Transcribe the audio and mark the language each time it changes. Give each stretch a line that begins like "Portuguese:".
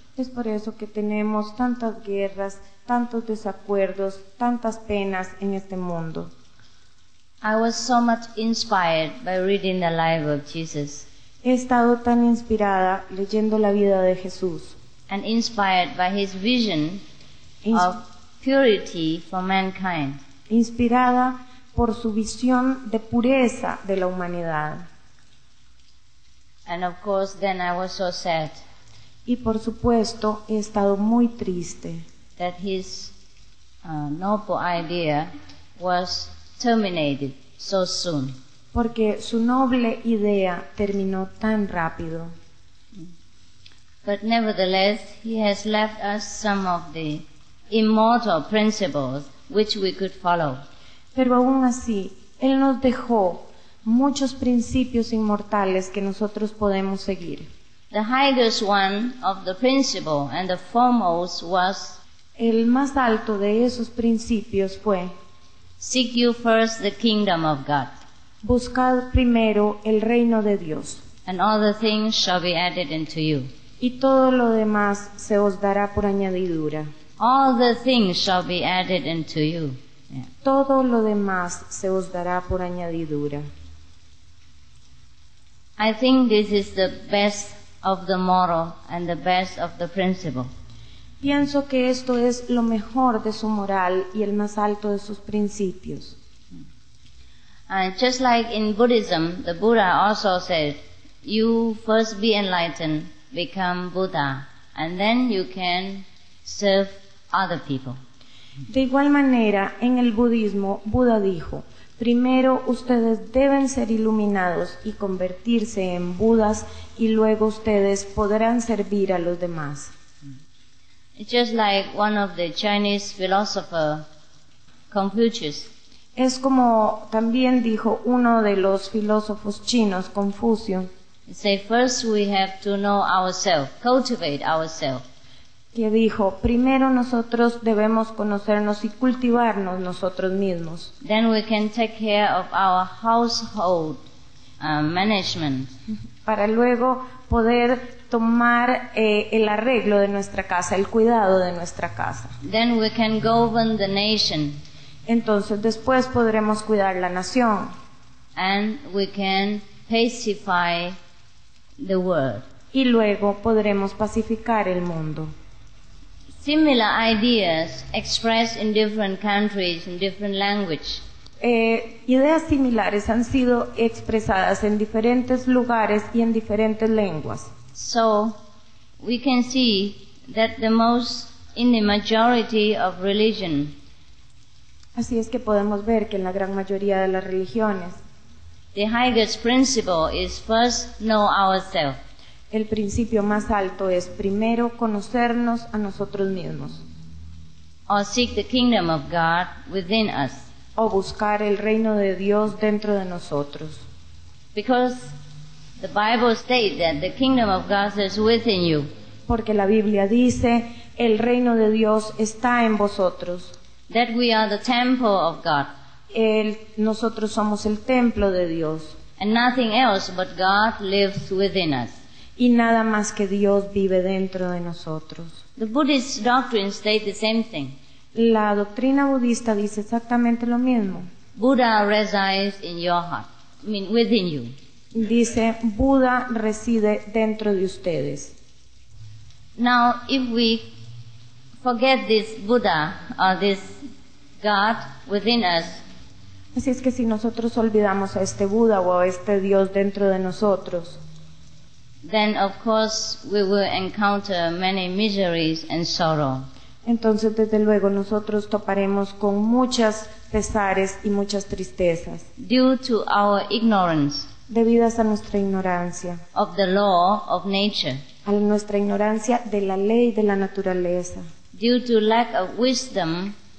Spanish: Es por eso que tenemos tantas guerras, tantos desacuerdos, tantas penas en este mundo.
English: I was so much inspired by reading the life of Jesus.
Spanish: He estado tan inspirada leyendo la vida de Jesús.
English: And inspired by his vision of purity for mankind.
Spanish: Inspirada por su visión de pureza de la humanidad.
English: And of course, then I was so sad.
Spanish: Y por supuesto, he estado muy triste.
English: That his noble idea was terminated so soon.
Spanish: Porque su noble idea terminó tan rápido.
English: But nevertheless, he has left us some of the immortal principles which we could follow.
Spanish: Pero aún así, él nos dejó muchos principios inmortales que nosotros podemos seguir.
English: The highest one of the principle and the foremost was.
Spanish: El más alto de esos principios fue.
English: Seek you first the kingdom of God.
Spanish: Buscad primero el reino de Dios.
English: And all the things shall be added unto you.
Spanish: Y todo lo demás se os dará por añadidura.
English: All the things shall be added unto you. Yeah.
Spanish: Todo lo demás se os dará por añadidura.
English: I think this is the best of the moral and the best of the principle.
Spanish: Pienso que esto es lo mejor de su moral y el más alto de sus principios.
English: And just like in Buddhism, the Buddha also said, you first be enlightened, become Buddha, and then you can serve other people.
Spanish: De igual manera, en el budismo, Buda dijo, primero ustedes deben ser iluminados y convertirse en Budas, y luego ustedes podrán servir a los demás.
English: It's just like one of the Chinese philosopher, Confucius.
Spanish: Es como también dijo uno de los filósofos chinos, Confucio.
English: Say first we have to know ourselves, cultivate ourselves.
Spanish: Que dijo, primero nosotros debemos conocernos y cultivarnos nosotros mismos.
English: Then we can take care of our household management.
Spanish: Para luego poder tomar el arreglo de nuestra casa, el cuidado de nuestra casa.
English: Then we can govern the nation.
Spanish: Entonces después podremos cuidar la nación.
English: And we can pacify the world.
Spanish: Y luego podremos pacificar el mundo.
English: Similar ideas expressed in different countries, in different language.
Spanish: Ideas similares han sido expresadas en diferentes lugares y en diferentes lenguas.
English: So, we can see that the most, in the majority of religion.
Spanish: Así es que podemos ver que en la gran mayoría de las religiones.
English: The highest principle is first know ourselves.
Spanish: El principio más alto es primero conocernos a nosotros mismos.
English: Or seek the kingdom of God within us.
Spanish: O buscar el reino de Dios dentro de nosotros.
English: Because the Bible states that the kingdom of God is within you.
Spanish: Porque la Biblia dice, el reino de Dios está en vosotros.
English: That we are the temple of God.
Spanish: Nosotros somos el templo de Dios.
English: And nothing else but God lives within us.
Spanish: Y nada más que Dios vive dentro de nosotros.
English: The Buddhist doctrine states the same thing.
Spanish: La doctrina budista dice exactamente lo mismo.
English: Buddha resides in your heart. I mean, within you.
Spanish: Dice, Buda reside dentro de ustedes.
English: Now, if we forget this Buddha or this God within us.
Spanish: Así es que si nosotros olvidamos a este Buda o a este Dios dentro de nosotros.
English: Then, of course, we will encounter many miseries and sorrow.
Spanish: Entonces, desde luego, nosotros toparemos con muchas pesares y muchas tristezas.
English: Due to our ignorance.
Spanish: Debidas a nuestra ignorancia.
English: Of the law of nature.
Spanish: A nuestra ignorancia de la ley de la naturaleza.
English: Due to lack of wisdom.